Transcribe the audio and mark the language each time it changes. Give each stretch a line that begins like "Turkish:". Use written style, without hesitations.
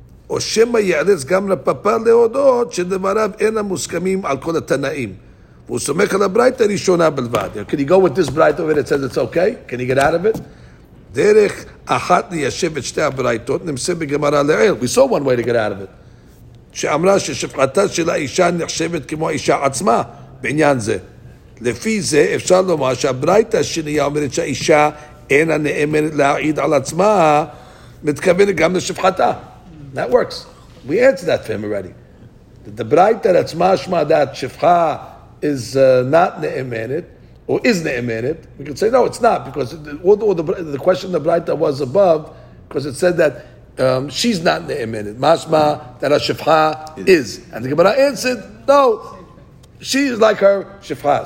Hebrew: או שמה יאלץ גם לפפה להודות שדבריו אינם מוסכמים על כל התנאים. והוא סומך על הברית הראשונה בלבד.
English: Can you go with this bright over it says it's okay? Can you get out of it?
Hebrew: דרך אחת ליישב את שתי הבריתות נמצא בגמרא לעיל.
English: We saw one way to get out of it.
Hebrew: שאמרה ששפחתה של האישה נחשבת כמו האישה עצמה בעניין זה. לפי זה אפשר לומר שהברית השנייה אומרת שהאישה אינה נאמנת להעיד על עצמה מתכוונת גם לשפחתה.
English: That works. We answered that for him already. The braita that's mashma that Shifcha is not ne'emenet, or is ne'emenet, we could say, no, it's not, because the question of the braita was above, because it said that she's not ne'emenet. Mashma that a Shifcha is. And the Gemara answered, no, she is like her Shifcha.